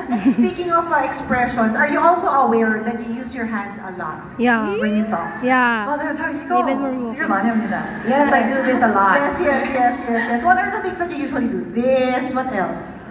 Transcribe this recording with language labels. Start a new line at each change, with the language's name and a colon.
English: Speaking of expressions, are you also aware that you use your hands a lot? Yeah. When you talk. Yeah.
Korean: 맞아요, 저 이거 이거 많이 합니다.
English: Yes, I do this a lot. Yes. What are the things that you usually do? This. What else?